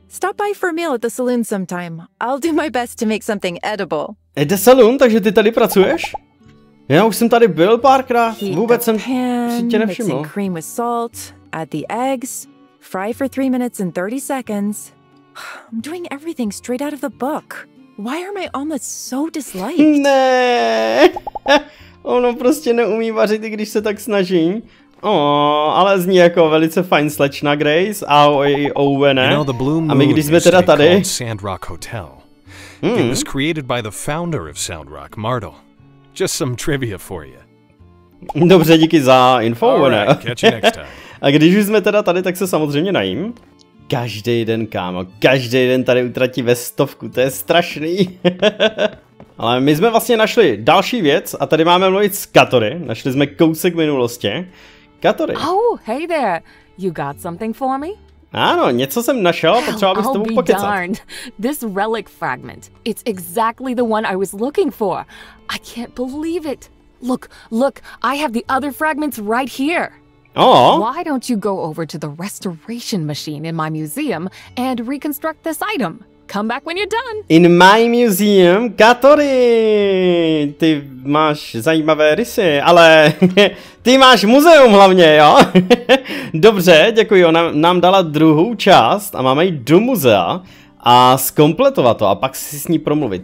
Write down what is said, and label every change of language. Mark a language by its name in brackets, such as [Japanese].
[English] Stop by for a meal at the saloon sometime. I'll do my best to make something edible. At the saloon? [Czech] Takže ty tady pracuješ? Já už jsem tady byl párkrát. Vůbec jsem si tě nevšiml. [English] Mix in cream with salt, add the eggs, fry for 3 minutes and 30 seconds. I'm doing everything straight out of the book. Why are my omelets so disliked? [Czech] Ne. Ono prostě neumí vařit, i když se tak snaží. Ale zní jako velice fajn slečna Grace. Ahoj, Owene. A my když jsme teda tady. Sandrock Hotel. [English] It was created by the founder of Sandrock, Martel. Just some trivia for you. [Czech] Dobře, díky za info, Owene. A když už jsme teda tady, tak se samozřejmě najím. Každý den, kámo, každý den tady utratí ve stovku, to je strašný. Ale my jsme vlastně našli další věc a tady máme mluvit s Katory. Našli jsme kousek minulosti. Katory. [English] Oh, hey there. You got something for me? [Czech] Ano, něco jsem našel, potřeboval bych s tebou pokecat. [English] I'll be darned. This relic fragment. It's exactly the one I was looking for. I can't believe it. Look, I have the other fragments right here. Oh. Why don't you go over to the restoration machine in my museum and reconstruct this item? Come back when you're done. In my museum, [Czech] Katory, ty máš zajímavé rysy, ale ty máš muzeum hlavně, jo? Dobře, děkuji, ona nám dala druhou část a máme jít do muzea a zkompletovat to a pak si s ní promluvit.